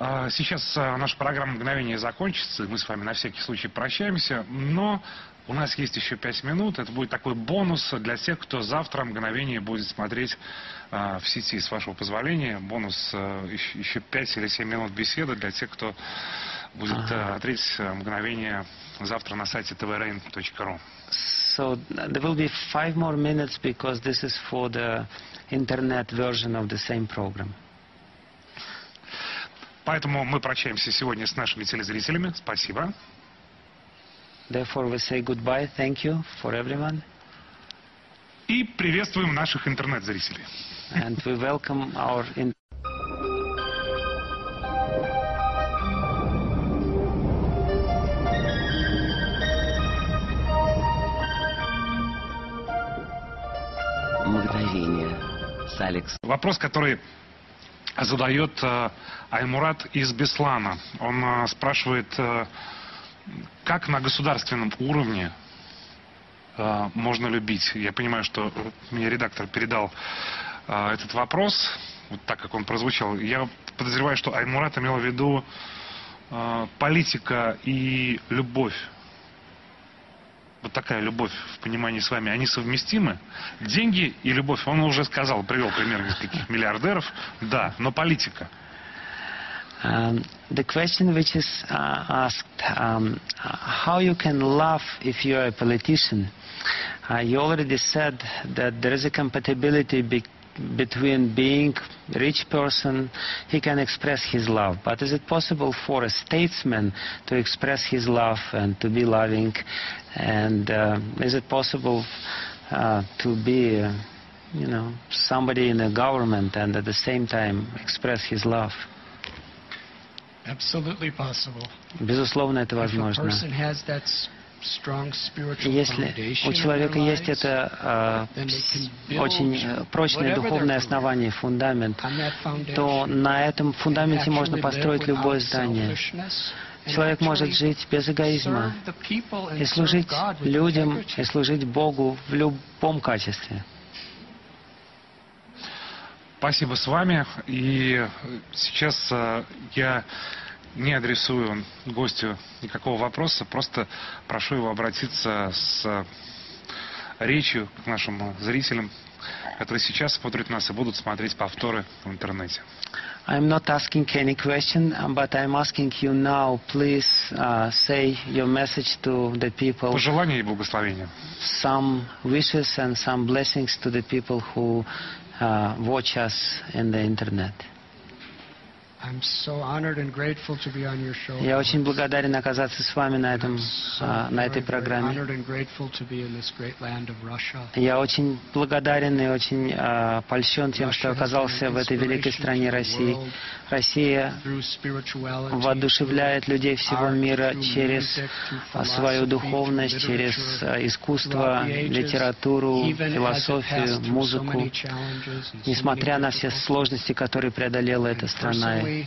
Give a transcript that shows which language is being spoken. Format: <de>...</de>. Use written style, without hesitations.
<ru>Сейчас наша программа «Мгновение» закончится, мы с вами на всякий случай прощаемся, но у нас есть еще 5 минут. Это будет такой бонус для тех, кто завтра «Мгновение» будет смотреть в сети, с вашего позволения. Бонус еще 5 или 7 минут беседы для тех, кто будет смотреть «Мгновение» завтра на сайте tvrain.ru.</ru> <en>So there will be 5 more minutes because this is for the internet version of the same program.</en> <ru>Поэтому мы прощаемся сегодня с нашими телезрителями. Спасибо.</ru> <en>Therefore we say goodbye, thank you for everyone.</en> <ru>И приветствуем наших интернет-зрителей.</ru> <en>And we welcome our</en> <ru>Мгновение с Алекс. Вопрос, который задает Аймурат из Беслана. Он спрашивает, как на государственном уровне можно любить? Я понимаю, что мне редактор передал этот вопрос, вот так как он прозвучал. Я подозреваю, что Аймурат имел в виду политика и любовь. Вот такая любовь в понимании с вами. Они совместимы? Деньги и любовь. Он уже сказал, привел пример нескольких миллиардеров. Да, но политика.</ru> <en>The question which is asked, how you can love if you are a politician? You already said that there is a compatibility between being rich person, he can express his love. But is it possible for a statesman to express his love and to be loving? And is it possible to be, you know, somebody in a government and at the same time express his love? Absolutely possible.</en> <ru>Безусловно, это возможно. Если у человека есть это очень прочное духовное основание, фундамент, то на этом фундаменте можно построить любое здание. Человек может жить без эгоизма и служить людям, и служить Богу в любом качестве. Спасибо с вами. И сейчас я не адресую гостю никакого вопроса, просто прошу его обратиться с речью к нашим зрителям, которые сейчас смотрят нас и будут смотреть повторы в интернете.</ru> <en>I'm not asking any question, but I'm asking you now, please say your message to the people.</en> <ru>Пожелания и благословения.</ru> <en>Some wishes and some blessings to the people who watch us in the internet. I'm so honored and grateful to be on your show.</en> <ru>Я очень благодарен оказаться с вами на этом на этой программе.</ru> <en>Honored and grateful to be in this great land of Russia.</en> <ru>Я очень благодарен и очень польщен тем, что оказался в этой великой стране России. Россия воодушевляет людей всего мира через свою духовность, через искусство, литературу, философию, музыку, несмотря на все сложности, которые преодолела эта страна.</ru>